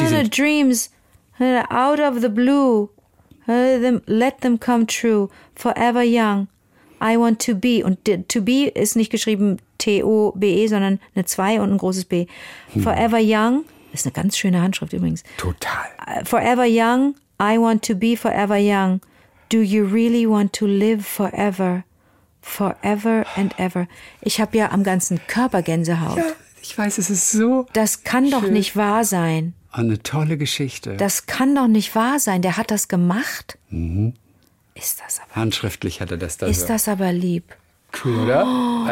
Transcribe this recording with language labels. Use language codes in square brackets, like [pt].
[en] die sind dreams, out of the blue, let them come true, forever young. I want to be. [de] Und to be ist nicht geschrieben T-O-B-E, sondern eine 2 und ein großes B. [en] Forever young. [de] Das ist eine ganz schöne Handschrift übrigens. Total. [en] Forever young. I want to be forever young. Do you really want to live forever? Forever and ever. [de] Ich habe ja am ganzen Körper Gänsehaut. Ja, ich weiß, es ist so. Das kann schön. Doch nicht wahr sein. Eine tolle Geschichte. Das kann doch nicht wahr sein. Der hat das gemacht. Mhm. Ist das aber handschriftlich hat er das dann. Ist so. Das aber lieb. Cool, oder? Oh.